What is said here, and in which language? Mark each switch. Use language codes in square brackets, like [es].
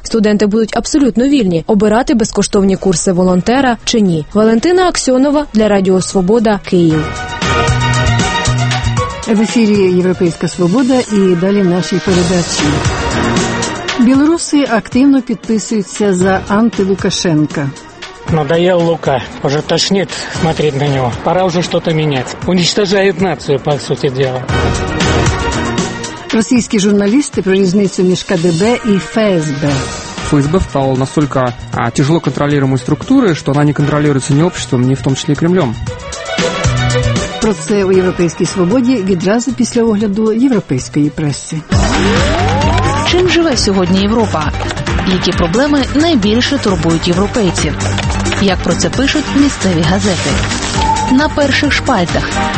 [uk] Студенти будуть абсолютно вільні – обирати безкоштовні курси волонтера чи ні. Валентина Аксьонова для Радіо Свобода, Київ. В ефірі «Європейська свобода» і далі наші передачі. Білоруси активно підписуються за анти-Лукашенка. [ru] Надоел Лука. Уже тошнит смотреть на него. Пора уже что-то менять. Уничтожает нацию, по сути дела. [uk] Російські журналісти про різницю між КДБ і ФСБ. [ru] ФСБ стала настолько тяжело контролируемой структурой, что она не контролируется ни обществом, ни в том числе Кремлем. [uk] Про це у «Європейській свободі» відразу після огляду європейської преси. Чим живе сьогодні Європа? Які проблеми найбільше турбують європейців? Як про це пишуть місцеві газети? На перших шпальтах.